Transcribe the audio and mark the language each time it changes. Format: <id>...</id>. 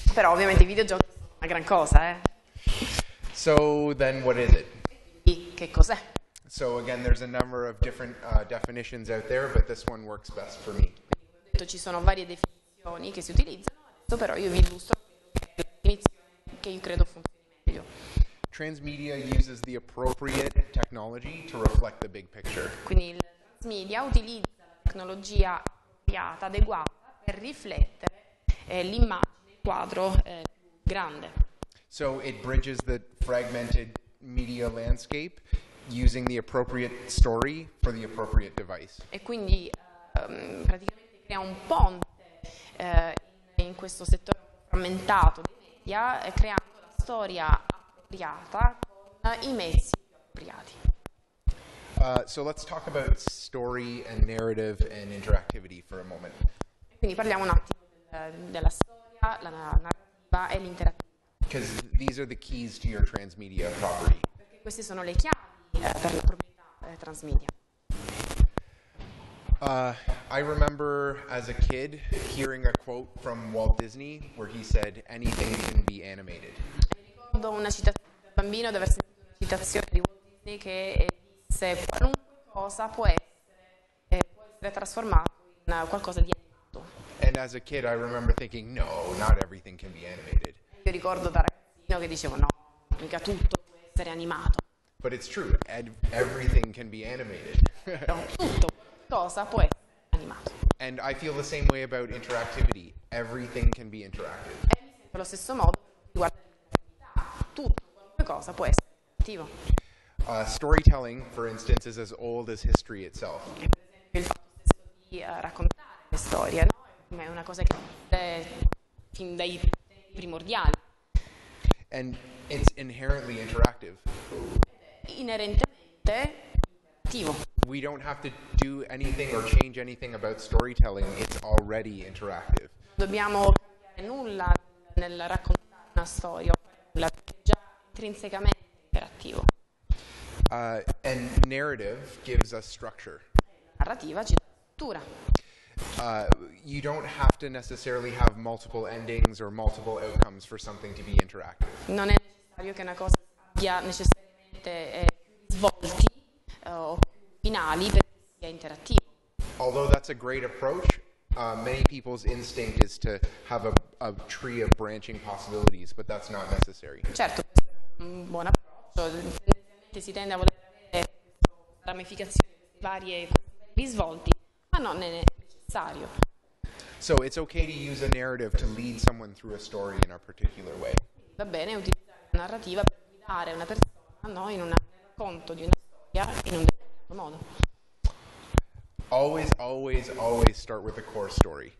<it>Però ovviamente i videogiochi sono una gran cosa,</it> <en>So then what is it?</en> <it>Che cos'è?</it> <en>So again, there's a number of different definitions out there, but this one works best for me.</en> <it>Ci sono varie definizioni che si utilizzano, però io vi illustro la definizione che io credo funzioni meglio.</it> <en>Transmedia uses the appropriate technology to reflect the big picture.</en> <it>Quindi il transmedia utilizza la tecnologia appropriata, adeguata per riflettere l'immagine, il quadro grande.</it> <en>So it bridges the fragmented media landscape using the appropriate story for the appropriate device.</en> <it>E quindi praticamente crea un ponte in questo settore frammentato dei media, creando la storia appropriata con i mezzi appropriati.</it> <en>So let's talk about story and narrative and interactivity for a moment.</en> <it>Quindi parliamo un attimo della storia, la narrativa e l'interattività.</it> <en>Because these are the keys to your transmedia property.</en> <it>Perché queste sono le chiavi per la proprietà transmedia.</it> <en>I remember as a kid hearing a quote from Walt Disney where he said anything can be animated.</en> <it>Ricordo una citazione da bambino, di aver sentito una citazione di Walt Disney che disse qualunque cosa può essere trasformato in qualcosa di animato.</it> <en>And as a kid I remember thinking no, not everything can be animated.</en> <it>Io ricordo da ragazzino che dicevo no, mica tutto può essere animato.</it> <en>But it's true, everything can be animated.</en> <it>Tutto cosa può essere animato.</it> <en>And I feel the same way about interactivity. Everything can be interactive.</en> <it>E mi sento lo stesso modo riguardo l'interattività. Tutto qualunque cosa può essere interattivo.</it> <en>Storytelling, for instance, is as old as history itself.</en> <it>Il fatto stesso di raccontare le storie, no? È una cosa che è fin dai primordiali.</it> <en>And it's inherently interactive.</en> <it>Inerentemente interattivo.</it> <en>We don't have to do anything or change anything about storytelling. It's already interactive.</en> <it>Non dobbiamo cambiare nulla nel raccontare una storia, la è già intrinsecamente interattivo.</it> <en>And narrative gives us structure.</en> <it>Narrativa ci dà struttura.</it> <en>You don't have to necessarily have multiple endings or multiple outcomes for something to be interactive.</en> <it>Non è necessario che una cosa abbia necessariamente svolti o finali per sia interattivo.</it> <en>Although that's a great approach, many people's instinct is to have a tree of branching possibilities, but that's not necessary.</en> <it>Certo, questo è un buon approccio. Tendenzialmente si tende a voler avere ramificazioni varie di svolti, ma non è necessario.</it> <en>So it's okay to use a narrative to lead someone through a story in a particular way.</en> <it>Va bene utilizzare una narrativa per guidare una persona, no, in un racconto di una storia in un determinato modo.</it> <en>Always, always, always start with a core story.</en>